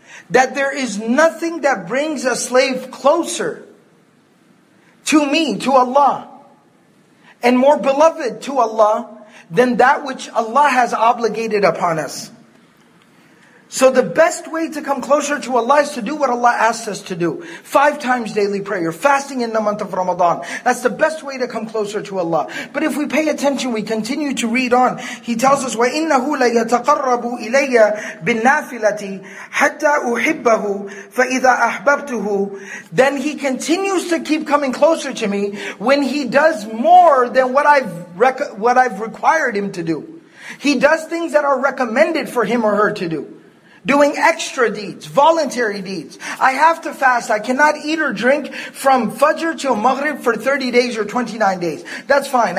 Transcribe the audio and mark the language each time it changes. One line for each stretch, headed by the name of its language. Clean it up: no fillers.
English: That there is nothing that brings a slave closer to me, to Allah, and more beloved to Allah than that which Allah has obligated upon us. So the best way to come closer to Allah is to do what Allah asks us to do. 5 times daily prayer, fasting in the month of Ramadan. That's the best way to come closer to Allah. But if we pay attention, we continue to read on. He tells us,
Arabic: وَإِنَّهُ لَيَتَقَرَّبُ إِلَيَّ بِالنَّافِلَةِ حَتَّى أُحِبَّهُ فَإِذَا أَحْبَبْتُهُ.
English: Then he continues to keep coming closer to me when he does more than what I've required him to do. He does things that are recommended for him or her to do. Doing extra deeds, voluntary deeds. I have to fast. I cannot eat or drink from Fajr till Maghrib for 30 days or 29 days. That's fine.